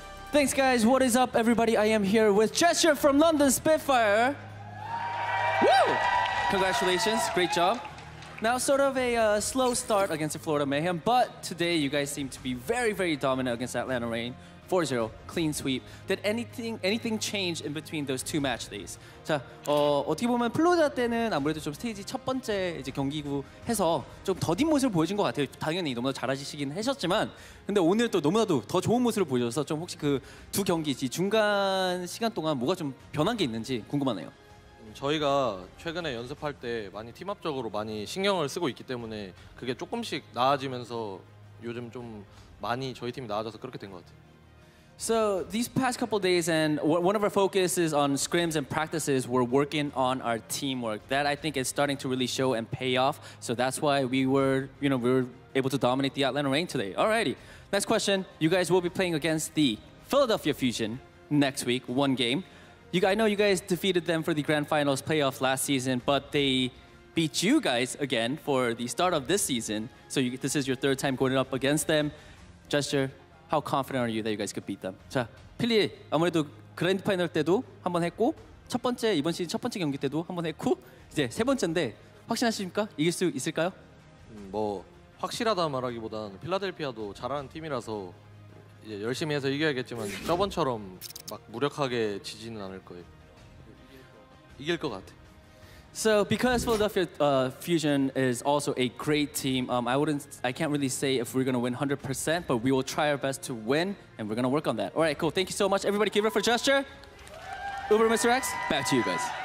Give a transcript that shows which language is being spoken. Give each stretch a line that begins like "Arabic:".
English: Thanks, guys. What is up, everybody? I am here with Jester from London Spitfire. Woo! Congratulations. Great job. Now, sort of a slow start against the Florida Mayhem, but today you guys seem to be very, very dominant against Atlanta Rain. 4-0, clean sweep. Did anything change in between those two match days?
Korean: 자, 어떻게 보면 플로리다 때는 아무래도 좀 스테이지 첫 번째 이제 경기고 해서 좀 더딘 모습을 보여준 것 같아요. 당연히 너무나 잘하시긴 하셨지만, 근데 오늘 또 너무나도 더 좋은 모습을 보여줘서 좀 혹시 그 두 경기 이 중간 시간 동안 뭐가 좀 변한 게 있는지 궁금하네요. 저희가 최근에 연습할 때 많이 팀합적으로 많이 신경을 쓰고 있기 때문에 그게 조금씩 나아지면서 요즘 좀 많이 저희 팀이 나아져서 그렇게 된 것 같아요.
English: So these past couple days, and one of our focuses on scrims and practices, we're working on our teamwork. That I think is starting to really show and pay off. So that's why we were able to dominate the Atlanta Rain today. Alrighty, next question. You guys will be playing against the Philadelphia Fusion next week, one game. I know you guys defeated them for the Grand Finals playoff last season, but they beat you guys again for the start of this season. So this is your third time going up against them. Jester, how confident are you that you guys could beat them?
Korean: 자, 필리 아무래도 그랜드 파이널 때도 한번 했고 첫 번째 이번 시즌 첫 번째 경기 때도 한번 했고 이제 세 번째인데 확신하십니까? 이길 수 있을까요? 뭐 확실하다 말하기보다는 필라델피아도 잘하는 팀이라서 이제 열심히 해서 이겨야겠지만 저번처럼 막 무력하게 지지는 않을 거예요. 이길 것 같아.
English: So because Philadelphia Fusion is also a great team, I can't really say if we're gonna win 100%, but we will try our best to win, and we're gonna work on that. All right, cool. Thank you so much, everybody. Give it up for Gesture. Uber, Mr. X, back to you guys.